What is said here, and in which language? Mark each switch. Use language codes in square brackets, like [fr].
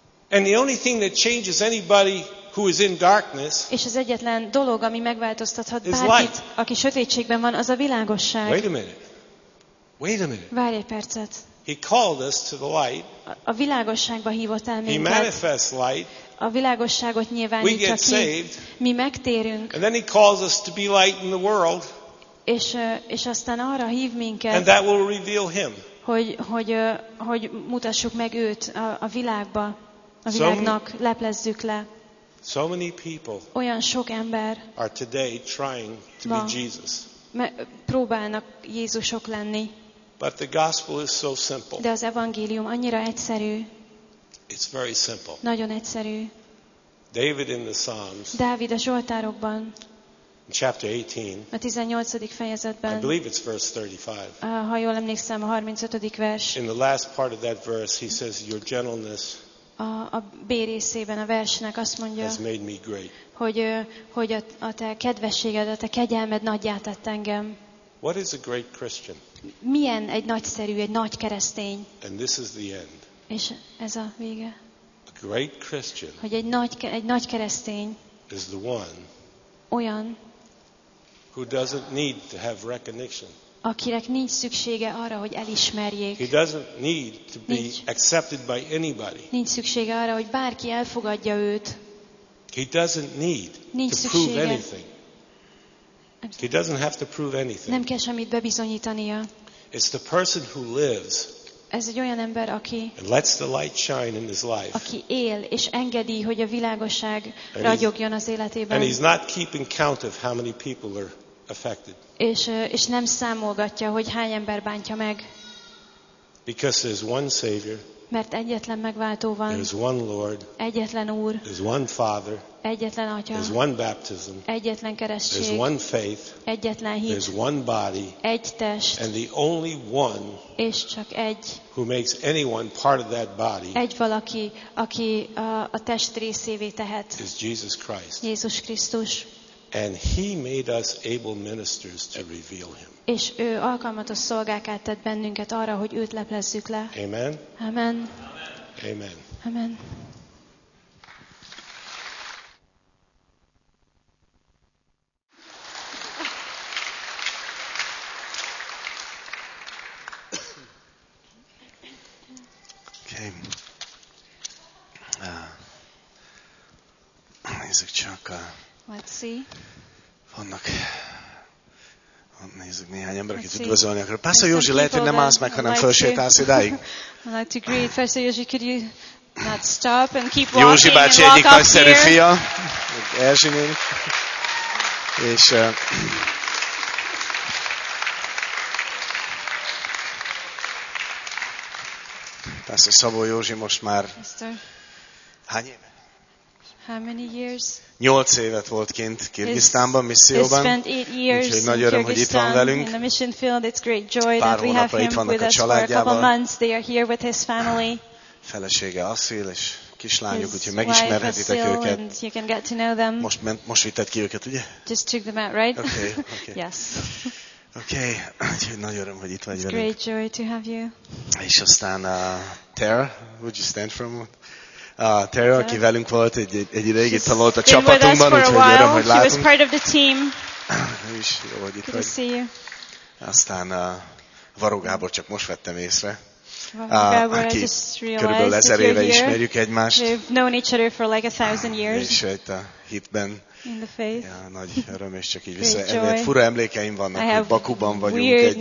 [en] And the only thing that changes anybody who is in darkness [hu] is az egyetlen dolog, ami megváltoztathat bárkit, aki sötétségben van, az a világosság. [en] Wait a minute. Wait a minute. [hu] Várj egy percet. [en] He called us to the light. [hu] A világosságba hívott el minket. [en] He manifests light. [hu] A világosságot nyilvánítja ki. Mi megtérünk. [en] And then he calls us to be light in the world. [hu] És aztán arra hív minket. [en] And that will reveal him. [hu] Hogy mutassuk meg őt a világba, a világnak, leplezzük le. [en] So many people. [hu] Olyan sok ember. [en] Are today trying to be Jesus. [hu] Próbálnak Jézusok lenni. [en] But the gospel is so simple. [hu] De az evangélium annyira egyszerű. [en] It's very simple. [hu] Nagyon egyszerű. [en] David in the Psalms. [hu] Dávid a Zsoltárokban. [en] In chapter 18. [hu] A 18. fejezetben. [en] I believe it's verse 35. [hu] Ha jól emlékszem, a 35. vers. [en] In the last part of that verse, he says, "Your gentleness." [hu] A B részében a versnek azt mondja, [en] has made me great. [hu] Hogy a te kedvességed, a te kegyelmed nagyjátett engem. [en] What is a great Christian? [hu] Milyen egy nagyszerű, egy nagy keresztény? [en] And this is the end. [hu] És ez a vége. [en] A great Christian. [hu] Hogy egy nagy keresztény. [en] Is the one. [hu] Olyan. [en] Who doesn't need to have recognition. [hu] Akinek nincs szüksége arra, hogy elismerjék. [en] He doesn't need to be accepted by anybody. [hu] Nincs szüksége arra, hogy bárki elfogadja őt. [en] He doesn't need to prove anything. He doesn't have to prove anything. [hu] Nem kell semmit bebizonyítania. [en] It's the person who lives. [hu] Ez egy olyan ember, aki. [en] And lets the light shine in his life. [hu] Aki él és engedi, hogy a világosság ragyogjon az életében. [en] And he's not keeping count of how many people are affected. [hu] És nem számolgatja, hogy hány ember bántja meg. [en] Because there's one Savior. [hu] Mert egyetlen megváltó van. [en] There's one Lord. [hu] Egyetlen Úr. [en] There's one Father. [hu] Egyetlen Atya. [en] There's one baptism. [hu] Egyetlen keresztség. [en] There's one faith. [hu] Egyetlen hit. [en] There's one body. [hu] Egy test. [en] And the only one. [hu] És csak egy. [en] Who makes anyone part of that body. [hu] Egy valaki, aki a test részévé tehet. [en] Is Jesus Christ. [hu] Jézus Krisztus. [en] And he made us able ministers to reveal him. [hu] És ő alkalmatos szolgákká tett bennünket arra, hogy őt leplezzük le. [en] Amen. Amen. Amen. Amen. [hu] Nézzük csak. [en] Let's see. [hu] Vannak. Nézzük néhány ember, akit üdvözölni akarok. Pásztor Józsi, lehet, hogy nem állsz meg, hanem felsétálsz idáig. [en] I'd like to greet Pásztor Józsi, could you not stop and keep walking? [hu] Józsi bácsi egyik nagyszerű fia. Erzsi néni. És Pásztor Szabó Józsi most már hány éve? [en] How many years? [hu] 8 évet volt kint Kirgisztánban, misszióban. Úgyhogy nagy öröm, hogy itt van velünk. [en] In the mission field, it's great joy that we have him with us for a couple months. They are here with his family. [hu] Felesége Asszil és kislányuk, úgyhogy megismerhetitek őket. [en] You can get to know them. [hu] Most vitted ki őket, ugye? [en] Just took them out, right? Okay. Yes. Okay. [hu] Úgyhogy nagy öröm, hogy itt vagy velünk. [en] It's great joy to have you. [hu] És aztán [en] Tara, would you stand for a moment? [hu] Terry, aki velünk volt, egy ideig itt volt a csapatunkban, úgyhogy öröm, hogy látunk. [en] He was part of the team. [hu] És jó, hogy itt [en] good [hu] vagy. [en] To see you. [hu] Aztán Varó Gábor, csak most vettem észre. [en] Varó Gábor, I just realized that you're here. [hu] Körülbelül 1000 éve ismerjük egymást. [en] We've known each other for like 1000 years. [hu] És itt a hitben. [en] In the faith. [hu] Ja, nagy öröm, és csak így vissza. Emlékeim, fura emlékeim vannak, hogy Bakuban vagyunk együtt,